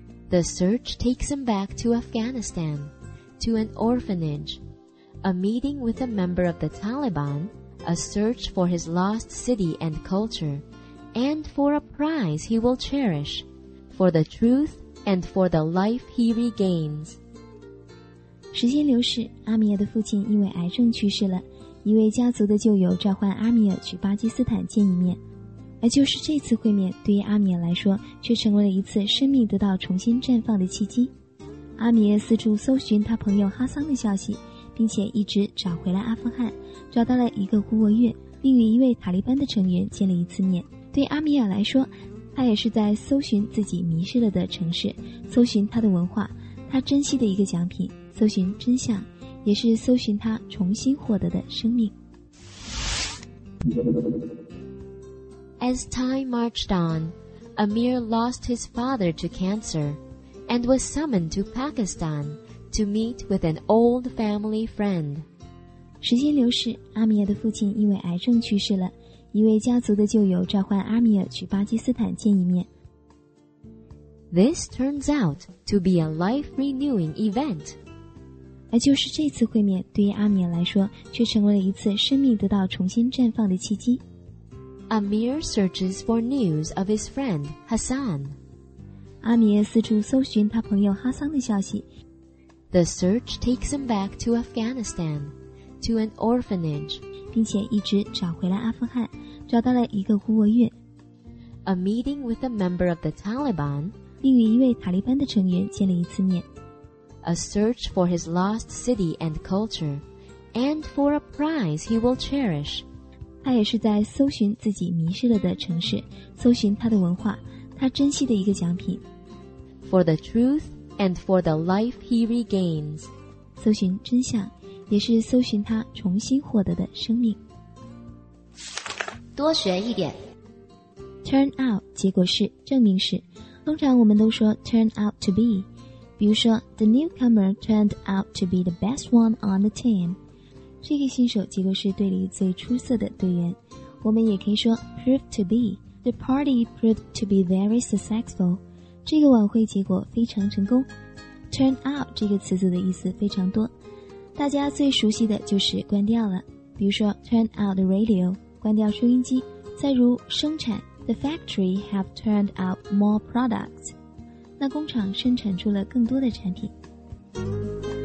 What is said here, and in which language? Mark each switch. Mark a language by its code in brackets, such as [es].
[en] The search takes him back to Afghanistan, to an orphanage, a meeting with a member of the Taliban,A search for his lost city and culture, and for a prize he will cherish, for the truth and for the life he regains. [zh] 时间流逝，阿米尔的父亲因为癌症去世了。一位家族的旧友召唤阿米尔去巴基斯坦见一面，而就是这次会面，对于阿米尔来说，却成为了一次生命得到重新绽放的契机。阿米尔四处搜寻他朋友哈桑的消息。并且一直找回了阿富汗，找到了一个孤儿院，并与一位塔利班的成员见了一次面。对阿米尔来说，他也是在搜寻自己迷失了的城市，搜寻他的文化，他珍惜的一个奖品，搜寻真相，也是搜寻他重新获得的生命。 [en] As time marched on, Amir lost his father to cancer and was summoned to Pakistan. To meet with an old family friend. [zh] 时间流逝，阿米尔的父亲因为癌症去世了。一位家族的旧友召唤阿米尔去巴基斯坦见一面。 [en] This turns out to be a life-renewing event. [zh] 而就是这次会面，对于阿米尔来说，却成为了一次生命得到重新绽放的契机。 [en] Amir searches for news of his friend, Hassan. [zh] 阿米尔四处搜寻他朋友哈桑的消息。 [en] The search takes him back to Afghanistan, to an orphanage, [zh] 并且一直找回了阿富汗，找到了一个孤儿院。 [en] A meeting with a member of the Taliban, [zh] 并与一位塔利班的成员见了一次面。 [en] A search for his lost city and culture, and for a prize he will cherish. [zh] 他也是在搜寻自己迷失了的城市，搜寻他的文化，他珍惜的一个奖品。 [en] For the truth,And for the life he regains. [zh] 搜寻真相，也是搜寻他重新获得的生命。多学一点。 Turn out, 结果是，证明是。通常我们都说 [en] turn out to be. [zh] 比如说 [en] ,the newcomer turned out to be the best one on the team. [zh] 这个新手结果是队里最出色的队员。我们也可以说 [en] prove to be. The party proved to be very successful. [zh] 这个晚会结果非常成功。Turn out 这个词组的意思非常多，大家最熟悉的就是关掉了，比如说 [en] turn out the radio [zh] 关掉收音机，再如生产 [en] the factory have turned out more products [zh] 那工厂生产出了更多的产品。